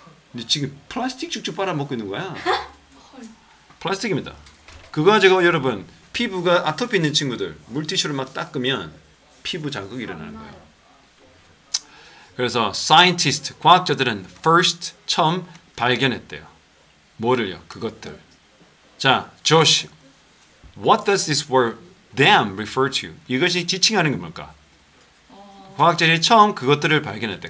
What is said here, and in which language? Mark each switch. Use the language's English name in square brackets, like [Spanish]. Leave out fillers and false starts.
[Korean] 근데 지금 플라스틱 쭉쭉 빨아먹고 있는 거야. 플라스틱입니다. 그거 가지고 여러분 피부가 아토피 있는 친구들 물티슈를 막 닦으면 피부 자극이 일어나는 거예요. 그래서 사이언티스트 과학자들은 first 처음 발견했대요. 뭐를요? 그것들. [English] 자, Josh, what does this word them refer to? [Korean] 이것이 지칭하는 게 뭘까? 과학자들이 처음 그것들을 발견했대.